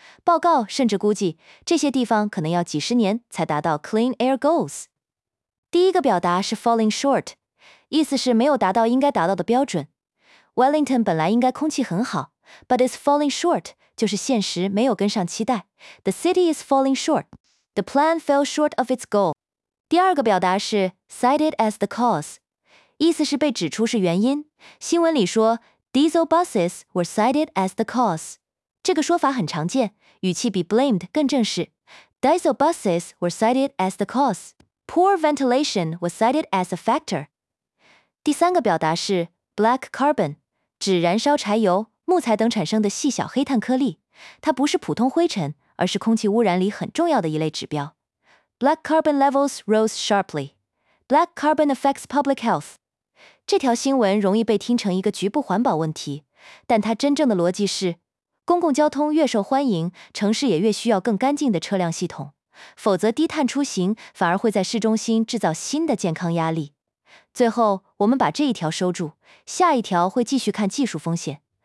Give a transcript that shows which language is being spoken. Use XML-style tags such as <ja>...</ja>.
<zh>报告甚至估计，这些地方可能要几十年才达到 Clean Air Goals。第一个表达是 Falling Short， 意思是没有达到应该达到的标准。 Wellington 本来应该空气很好 ，</zh> <en>but is falling short，</en> <zh>就是现实没有跟上期待。</zh> <en>The city is falling short. The plan fell short of its goal.</en> <zh>第二个表达是</zh> <en>cited as the cause，</en> <zh>意思是被指出是原因。新闻里说</zh> <en>diesel buses were cited as the cause，</en> <zh>这个说法很常见，语气比 blamed 更正式。</zh> <en>diesel buses were cited as the cause， poor ventilation was cited as a factor。</en> <zh>第三个表达是 black carbon， 指燃烧柴油、木材等产生的细小黑碳颗粒，它不是普通灰尘，而是空气污染里很重要的一类指标。</zh> <en>Black carbon levels rose sharply. Black carbon affects public health.</en> <zh>这条新闻容易被听成一个局部环保问题，但它真正的逻辑是，公共交通越受欢迎，城市也越需要更干净的车辆系统，否则低碳出行反而会在市中心制造新的健康压力。最后，我们把这一条收住，下一条会继续看技术风险。</zh>